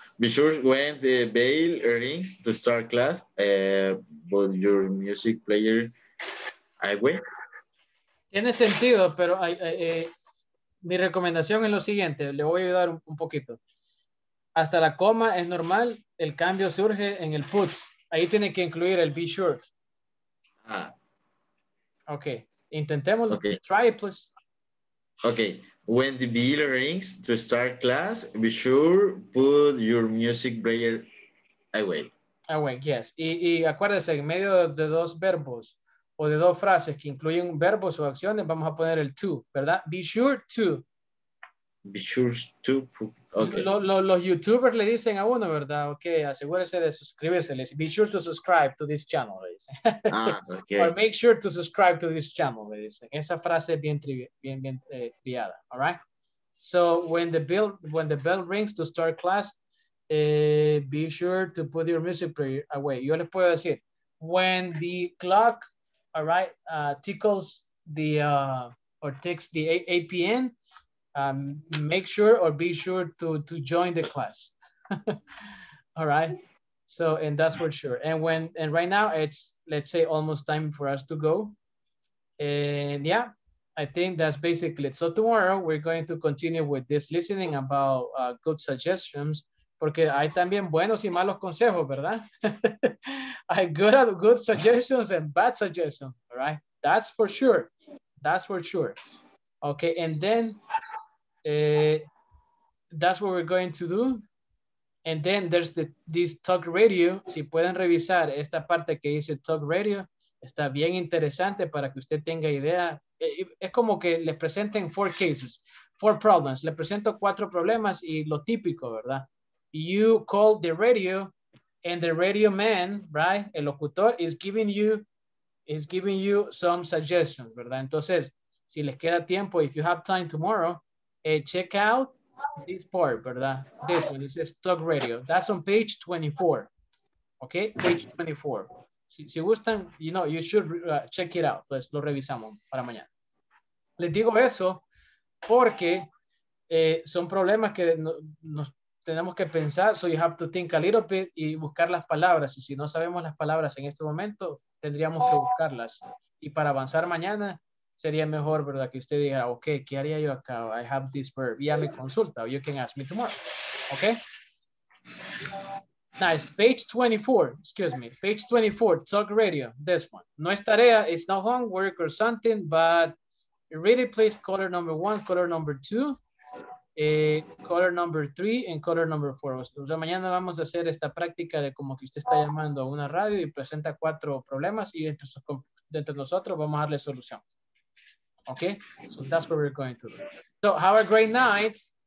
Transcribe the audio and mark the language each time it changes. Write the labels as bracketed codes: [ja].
[en] Be sure when the bell rings to start class, but your music player, I will. [es] Tiene sentido, pero mi recomendación es lo siguiente. Le voy a ayudar un poquito. Hasta la coma es normal. El cambio surge en el put. Ahí tiene que incluir el be sure. Ah. [en] Ok. Intentémoslo. Okay. Try it, please. Ok. When the bell rings to start class, be sure put your music player away. Away, yes. [es] Y acuérdese, en medio de dos verbos, o de dos frases que incluyen verbos o acciones, vamos a poner el to, ¿verdad? [en] Be sure to. be sure to put, [es] okay. Los youtubers le dicen a uno, ¿verdad? Ok, asegúrese de suscribirse. [en] Les, be sure to subscribe to this channel, [es] le dicen. Ah, ok. [en] Or make sure to subscribe to this channel, [es] le dicen. Esa frase es bien, triada, [en] all right? So when the bell rings to start class, be sure to put your music player away. Yo les puedo decir, when the clock, all right, tickles the or takes the 8 p.m., make sure or be sure to join the class. All right. So, and that's for sure. And right now it's, let's say, almost time for us to go. And yeah, I think that's basically it. So tomorrow we're going to continue with this listening about good suggestions. [es] Porque hay también buenos y malos consejos, ¿verdad? [en] I got good suggestions and bad suggestions, all right? That's for sure. That's for sure. Okay, and then that's what we're going to do. And then there's this talk radio. [es] Si pueden revisar esta parte que dice talk radio, está bien interesante para que usted tenga idea. Es como que les presenten [en] four cases, four problems. [es] Le presento cuatro problemas y lo típico, ¿verdad? [en] You call the radio and the radio man, right? [es] El locutor [en] is giving you some suggestions, ¿verdad? [es] Entonces, si les queda tiempo, [en] if you have time tomorrow, check out this part, ¿verdad? This one, it says talk radio. That's on page 24, okay? Page 24. [es] Si gustan, [en] you know, you should check it out. [es] Pues lo revisamos para mañana. Les digo eso porque son problemas que nos tenemos que pensar, [en] so you have to think a little bit [es] y buscar las palabras. Y si no sabemos las palabras en este momento, tendríamos que buscarlas. Y para avanzar mañana, sería mejor, ¿verdad? Que usted diga, ok, ¿qué haría yo acá? [en] I have this verb. [es] Ya me consulta. [en] You can ask me tomorrow. Ok. Nice. Page 24. Excuse me. Page 24. Talk radio. This one. [es] No es tarea. [en] It's not homework or something, but really please color number one, color number two. Color number three and color number four. [es] O sea, mañana vamos a hacer esta práctica de como que usted está llamando a una radio y presenta cuatro problemas y dentro de nosotros vamos a darle solución. [en] Okay? So that's what we're going to do. So have a great night.